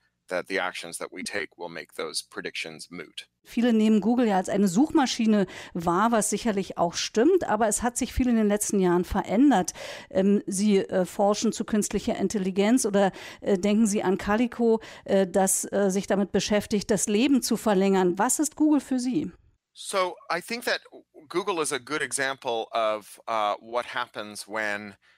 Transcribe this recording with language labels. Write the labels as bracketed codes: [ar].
[en] That the actions that we take will make those predictions moot. [de] Viele nehmen Google ja als eine Suchmaschine wahr, was sicherlich auch stimmt, aber es hat sich viel in den letzten Jahren verändert. Sie forschen zu künstlicher Intelligenz oder denken Sie an Calico, das sich damit beschäftigt, das Leben zu verlängern. Was ist Google für Sie? [en] So, I think that Google is a good example of what happens when.